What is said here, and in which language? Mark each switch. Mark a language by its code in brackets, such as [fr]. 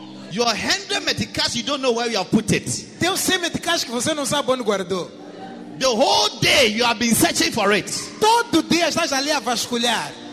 [en] Your 100 meticais, you don't know where you have put it. [pt] Teus 100 meticais que você não sabe onde guardou. [en] The whole day you have been searching for it. [pt] Todo dia estás ali a vasculhar.